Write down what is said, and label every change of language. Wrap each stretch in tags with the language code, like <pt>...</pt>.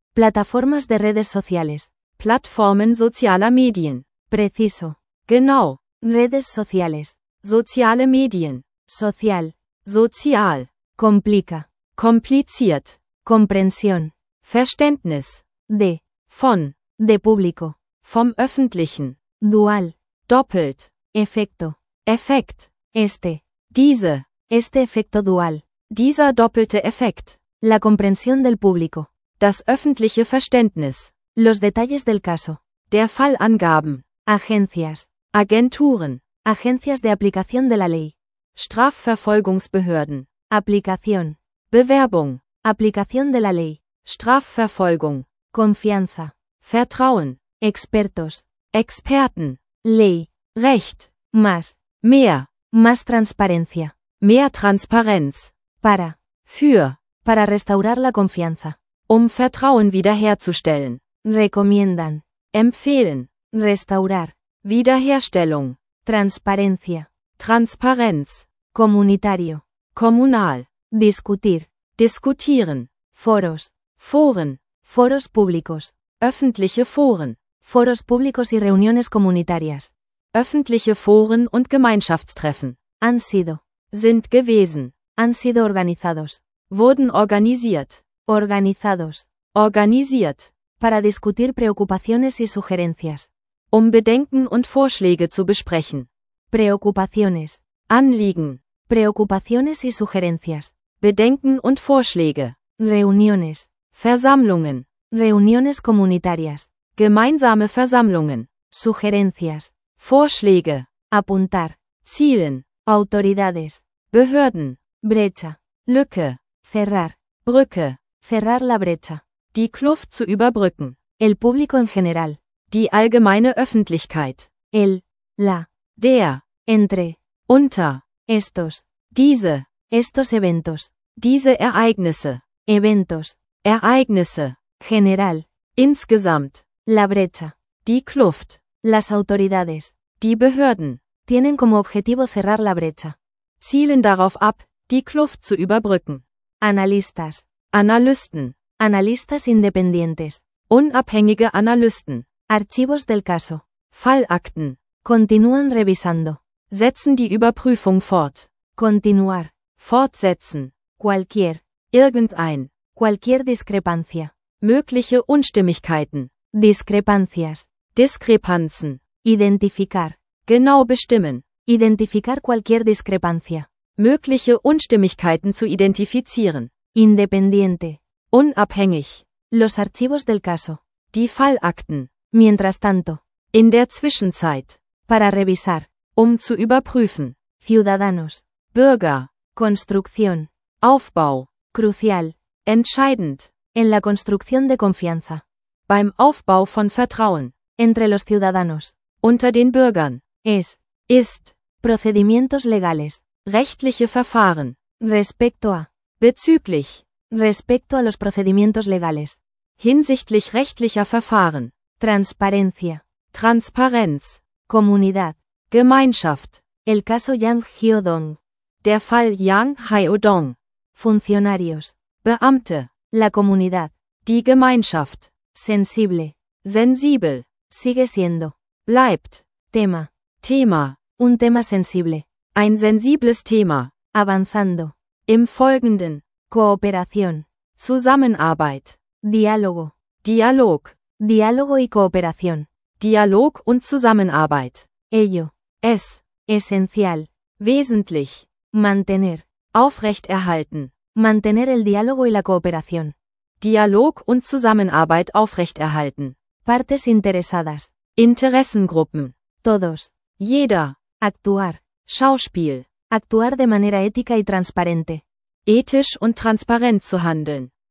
<es>Plataformas de redes sociales.</es> <de>Plattformen sozialer Medien.</de> <es>Preciso.</es> <de>Genau.</de> <es>Redes sociales.</es> <de>Soziale Medien.</de> <es>Social.</es> <de>Sozial.</de> <es>Complica.</es> <de>Kompliziert.</de> <es>Comprensión.</es> <de>Verständnis.</de> <es>De.</es> <de>Von.</de> <es>De público.</es> <de>Vom öffentlichen.</de> <es>Dual.</es> <de>Doppelt.</de> <es>Efecto.</es> <en>Effect.</en> <es>Este.</es> <de>Diese.</de> <es>Este efecto dual.</es> <de>Dieser doppelte Effekt.</de> <es>La comprensión del público.</es> <de>Das öffentliche Verständnis.</de> <es>Los detalles del caso.</es> <de>Der Fallangaben.</de> <es>Agencias.</es> <de>Agenturen.</de> <es>Agencias de aplicación de la ley.</es> <de>Strafverfolgungsbehörden.</de> <es>Aplicación.</es> <de>Bewerbung.</de> <es>Aplicación de la ley.</es> <de>Strafverfolgung.</de> <es>Confianza.</es> <de>Vertrauen.</de> <es>Expertos.</es> <de>Experten.</de> <es>Ley.</es> <de>Recht.</de> <es>Más.</es> <de>Mehr.</de> <es>Más transparencia.</es> <de>Mehr Transparenz.</de> <es>Para.</es> <de>Für.</de> <es>Para restaurar la confianza.</es> <de>Um Vertrauen wiederherzustellen.</de> <es>Recomiendan.</es> <de>Empfehlen.</de> <es>Restaurar.</es> <de>Wiederherstellung.</de> <es>Transparencia.</es> <de>Transparenz.</de> <es>Comunitario.</es> <de>Kommunal.</de> <es>Discutir.</es> <de>Diskutieren.</de> <es>Foros.</es> <de>Foren.</de> <es>Foros públicos.</es> <de>Öffentliche Foren.</de> <es>Foros públicos y reuniones comunitarias.</es> <de>Öffentliche Foren und Gemeinschaftstreffen.</de> <es>Han sido.</es> <de>Sind gewesen.</de> <es>Han sido organizados.</es> <de>Wurden organisiert.</de> <es>Organizados.</es> <de>Organisiert.</de> <es>Para discutir preocupaciones y sugerencias.</es> <de>Um Bedenken und Vorschläge zu besprechen.</de> <es>Preocupaciones.</es> <de>Anliegen.</de> <es>Preocupaciones y sugerencias.</es> <de>Bedenken und Vorschläge.</de> <es>Reuniones.</es> <de>Versammlungen.</de> <es>Reuniones comunitarias.</es> <de>Gemeinsame Versammlungen.</de> <es>Sugerencias.</es> <de>Vorschläge.</de> <es>Apuntar.</es> <de>Zielen.</de> <es>Autoridades.</es> <de>Behörden.</de> <es>Brecha.</es> <de>Lücke.</de> <es>Cerrar.</es> <de>Brücke.</de> <es>Cerrar la brecha.</es> <de>Die Kluft zu überbrücken.</de> <es>El público en general.</es> <de>Die allgemeine Öffentlichkeit.</de> <es>El. La.</es> <de>Der.</de> <es>Entre.</es> <de>Unter.</de> <es>Estos.</es> <de>Diese.</de> <es>Estos eventos.</es> <de>Diese Ereignisse.</de> <es>Eventos.</es> <de>Ereignisse.</de> <es>General.</es> <de>Insgesamt.</de> <es>La brecha.</es> <de>Die Kluft.</de> <es>Las autoridades.</es> <de>Die Behörden.</de> <es>Tienen como objetivo cerrar la brecha.</es> <de>Zielen darauf ab, die Kluft zu überbrücken.</de> <es>Analistas.</es> <de>Analysten.</de> <es>Analistas independientes.</es> <de>Unabhängige Analysten.</de> <es>Archivos del caso.</es> <de>Fallakten.</de> <es>Continúan revisando.</es> <de>Setzen die Überprüfung fort.</de> <es>Continuar.</es> <de>Fortsetzen.</de> <es>Cualquier.</es> <de>Irgendein.</de> <es>Cualquier discrepancia.</es> <de>Mögliche Unstimmigkeiten.</de> <es>Discrepancias.</es> <de>Diskrepanzen.</de> <es>Identificar.</es> <de>Genau bestimmen.</de> <es>Identificar cualquier discrepancia.</es> <de>Mögliche Unstimmigkeiten zu identifizieren.</de> <es>Independiente.</es> <de>Unabhängig.</de> <es>Los archivos del caso.</es> <de>Die Fallakten.</de> <es>Mientras tanto.</es> <de>In der Zwischenzeit.</de> <es>Para revisar.</es> <de>Um zu überprüfen.</de> <es>Ciudadanos.</es> <de>Bürger.</de> <es>Construcción.</es> <de>Aufbau.</de> <es>Crucial.</es> <de>Entscheidend.</de> <es>En la construcción de confianza.</es> <de>Beim Aufbau von Vertrauen.</de> <es>Entre los ciudadanos.</es> <de>Unter den Bürgern.</de> <es>Es.</es> <de>Ist.</de> <es>Procedimientos legales.</es> <de>Rechtliche Verfahren.</de> <es>Respecto a.</es> <de>Bezüglich.</de> <es>Respecto a los procedimientos legales.</es> <de>Hinsichtlich rechtlicher Verfahren.</de> <es>Transparencia.</es> <de>Transparenz.</de> <es>Comunidad.</es> <de>Gemeinschaft.</de> <es>El caso Yang Hyodong.</es> <de>Der Fall Yang Hyodong.</de> <es>Funcionarios.</es> <de>Beamte.</de> <es>La comunidad.</es> <de>Die Gemeinschaft.</de> <es>Sensible.</es> <de>Sensibel.</de> <es>Sigue siendo.</es> <de>Bleibt.</de> <es>Tema.</es> <de>Thema.</de> <es>Un tema sensible.</es> <de>Ein sensibles Thema.</de> <es>Avanzando.</es> <de>Im Folgenden.</de> <es>Cooperación.</es> <de>Zusammenarbeit.</de> <es>Diálogo.</es> <de>Dialog.</de> <es>Diálogo y cooperación.</es> <de>Dialog und Zusammenarbeit.</de> <es>Ello.</es> <de>Es.</de> <es>Esencial.</es> <de>Wesentlich.</de> <es>Mantener.</es> <de>Aufrechterhalten.</de> <es>Mantener el diálogo y la cooperación.</es> <de>Dialog und Zusammenarbeit aufrechterhalten.</de> <es>Partes interesadas.</es> <de>Interessengruppen.</de> <es>Todos.</es> <de>Jeder.</de> <es>Actuar.</es> <de>Schauspiel.</de> <es>Actuar de manera ética y transparente.</es> <de>Ethisch und transparent zu handeln.</de>